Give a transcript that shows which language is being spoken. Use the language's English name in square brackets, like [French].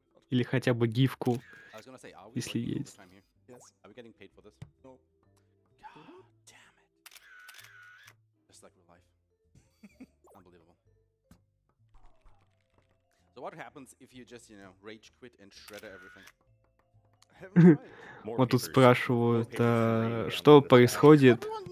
[Russian] Или хотя бы гифку, если есть. [English] Yes. Are we getting paid for this? No. God damn it. Just like real life. Unbelievable. So what happens if you just, you know, rage quit and shredder everything? [Russian] Вот тут спрашивают, что происходит?